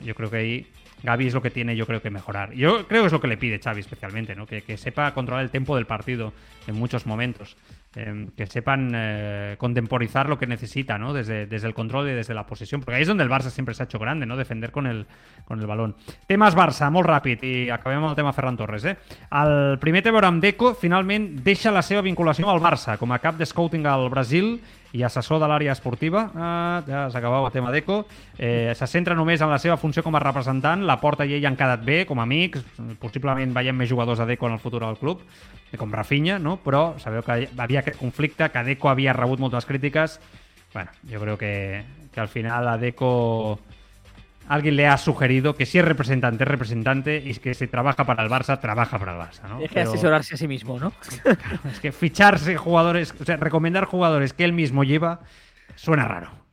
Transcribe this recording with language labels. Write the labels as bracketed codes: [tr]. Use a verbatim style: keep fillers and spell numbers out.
[es] Yo creo que ahí Gavi es lo que tiene, yo creo, que mejorar. Yo creo que es lo que le pide Xavi especialmente, ¿no? Que, que sepa controlar el tempo del partido en muchos momentos, eh, que sepan eh, contemporizar lo que necesita, ¿no? Desde, desde el control y desde la posesión, porque ahí es donde el Barça siempre se ha hecho grande, ¿no? Defender con el, con el balón. [ca] Temes Barça, molt ràpid, i acabem amb el tema Ferran Torres, eh? El primer té a veure amb Deco, finalment deixa la seva vinculació al Barça com a cap de scouting al Brasil i assessor de l'àrea esportiva. Ah, ja s'acabava el tema d'Eco. Eh, se centra només en la seva funció com a representant. La Porta i ell han quedat bé com a amics. Possiblement veiem més jugadors a Deco en el futur del club, com Rafinha, no? Però sabeu que hi havia aquest conflicte, que Deco havia rebut moltes crítiques. [es] Bueno, [ca] jo crec que, que al final [es] a Deco alguien le ha sugerido que si es representante, es representante, y que si trabaja para el Barça, trabaja para el Barça, ¿no? Deja de asesorarse a sí mismo, ¿no? Claro, es que ficharse jugadores, o sea, recomendar jugadores que él mismo lleva, suena raro.